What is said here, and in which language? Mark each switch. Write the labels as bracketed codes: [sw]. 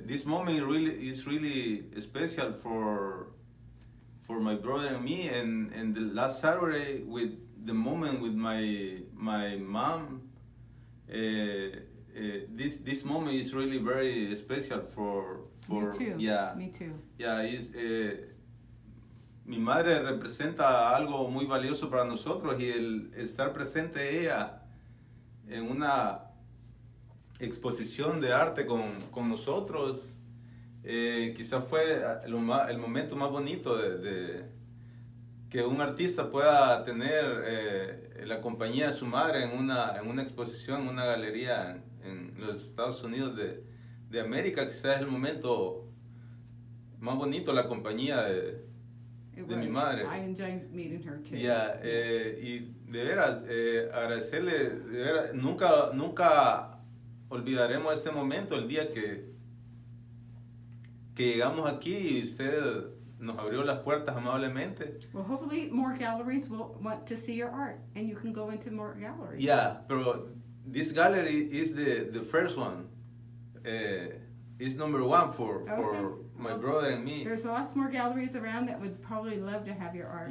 [en] This moment really is really special for my brother and me. And the last Saturday, with the moment with my mom, this moment is really very special for me too. Yeah. Me too. Yeah, it's, [es] mi madre representa algo muy valioso para nosotros, y el estar presente ella en una exposición de arte con nosotros, quizás fue el momento más bonito de que un artista pueda tener la compañía de su madre en una exposición, en una galería en los Estados Unidos de América. Quizás es el momento más bonito, la compañía de mi madre. [en] I enjoyed meeting her too. [es] Yeah, y de veras, agradecerle, de veras, nunca, nunca olvidaremos este momento, el día que que llegamos aquí y usted nos abrió las puertas amablemente. [en] Well, hopefully more galleries will want to see your art and you can go into more galleries. Yeah, [es] pero [en] this gallery is the first one. It's number one for my brother and me. There's lots more galleries around that would probably love to have your art.